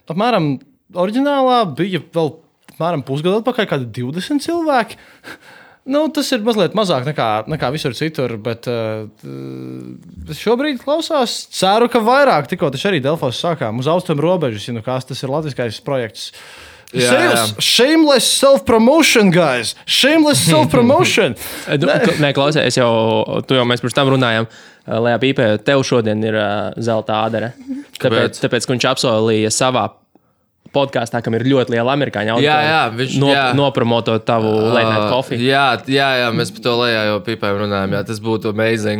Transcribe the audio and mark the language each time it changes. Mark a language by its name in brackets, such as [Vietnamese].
[Latvian] Apmēram, oriģinālā bija vēl apmēram pusgadu atpakaļ kādi 20 cilvēki. Nu, tas ir mazliet mazāk nekā visur citur, bet šobrīd klausās, ceru, ka vairāk, tikko taču arī Delfos sākām, uz austrumu robežas, ja nu kās, tas ir latviskais projekts. [English] Shameless self-promotion, guys! Shameless self-promotion! [Latvian] Nē, klausies, tu jau mēs par tam runājam, lai pīpē, tev šodien ir zelta ādere. Kāpēc? Tāpēc, ka viņš apsolīja savā podcastā, kam ir ļoti liela amerikāņa auditorija. Jā, nopromotot tavu late night coffee. Jā, mēs par to lejā jau pīpējam runājam, jā, tas būtu amazing.